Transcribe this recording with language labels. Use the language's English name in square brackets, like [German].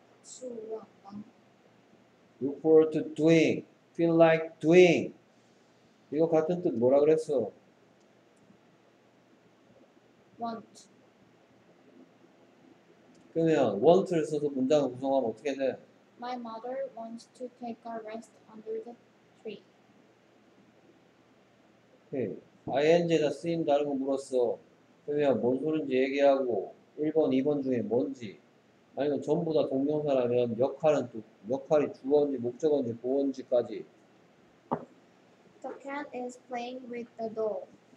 [Korean] 수고한다. [English] Look forward to doing. Feel like doing. [Korean] 이거 같은 뜻 뭐라 그랬어? [English] Want. [Korean] 그러면 want를 써서 문장을 구성하면 어떻게 돼? [English] My mother wants to take a rest under the tree. [Korean] 오케이. ing에다 쓰임 다른 거 물었어. 그러면 뭔 소리인지 얘기하고 1번, 2번 중에 뭔지 아니면 전부 다 동명사라면 역할은 또 역할이 주어인지 목적어인지 보어인지까지 [English] The cat is playing with the doll.